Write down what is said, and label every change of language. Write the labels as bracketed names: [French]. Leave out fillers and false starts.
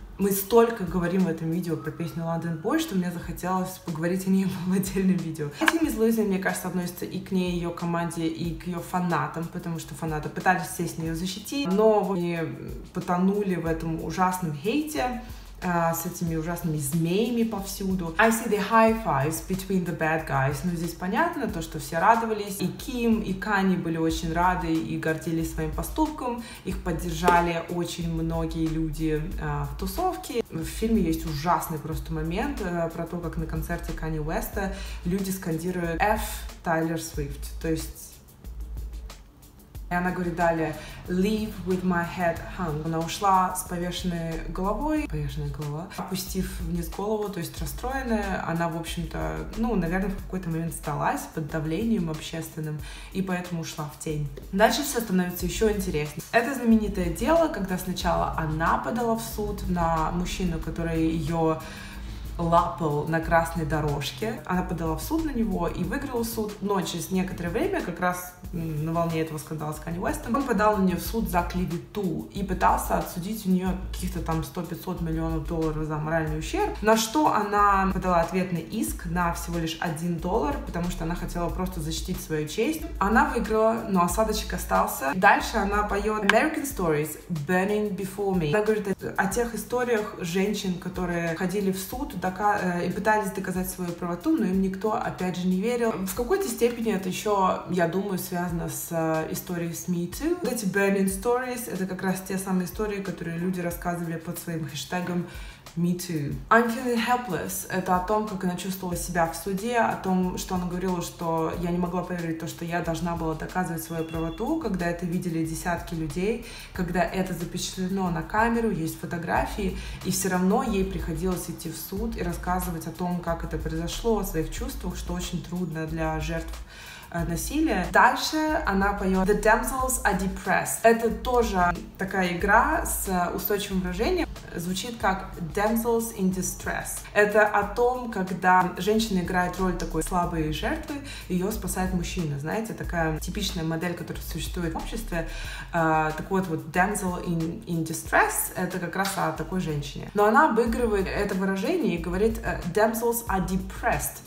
[Russian] Мы столько говорим в этом видео про песню London Boy, что мне захотелось поговорить о ней в отдельном видео. Хотя Miss Lizzy, мне кажется, относится и к ней, и ее команде, и к ее фанатам, потому что фанаты пытались сесть на ее защитить, но они потонули в этом ужасном хейте. с этими ужасными змеями повсюду. [English] I see the high fives between the bad guys. [Russian] Ну, здесь понятно то, что все радовались. И Ким, и Кани были очень рады и гордились своим поступком. Их поддержали очень многие люди в тусовке. В фильме есть ужасный просто момент про то, как на концерте Кани Уэста люди скандируют F Тайлер Свифт. То есть... И она говорит далее, [English] leave with my head hung. [Russian] Она ушла с повешенной головой, опустив вниз голову, то есть расстроенная. Она, в общем-то, ну, наверное, в какой-то момент сдалась под давлением общественным и поэтому ушла в тень. Дальше все становится еще интереснее. Это знаменитое дело, когда сначала она подала в суд на мужчину, который ее... лапал на красной дорожке. Она подала в суд на него и выиграла суд. Но через некоторое время, как раз на волне этого скандала с Канье Уэстом, он подал на нее в суд за клевету и пытался отсудить у нее каких-то там 100-500 миллионов долларов за моральный ущерб, на что она подала ответный иск на всего лишь $1, потому что она хотела просто защитить свою честь. Она выиграла, но осадочек остался. Дальше она поет [English] American Stories, Burning Before Me. [Russian] Она говорит о тех историях женщин, которые ходили в суд и пытались доказать свою правоту, но им никто, опять же, не верил. В какой-то степени это еще, я думаю, связано с историей с Me Too. Вот эти [English] burning stories [Russian] — это как раз те самые истории, которые люди рассказывали под своим хэштегом Me Too. [English] I'm feeling helpless [Russian] — это о том, как она чувствовала себя в суде, о том, что она говорила, что я не могла поверить то, что я должна была доказывать свою правоту, когда это видели десятки людей, когда это запечатлено на камеру, есть фотографии, и все равно ей приходилось идти в суд и рассказывать о том, как это произошло, о своих чувствах, что очень трудно для жертв насилия. Дальше она поет [English] The Damsels Are Depressed. [Russian] Это тоже такая игра с устойчивым выражением. Звучит как [English] Damsels in Distress. [Russian] Это о том, когда женщина играет роль такой слабой жертвы, ее спасает мужчина. Знаете, такая типичная модель, которая существует в обществе. Так вот, вот [English] Damsel in Distress [Russian] — это как раз о такой женщине. Но она обыгрывает это выражение и говорит [English] Damsels Are Depressed.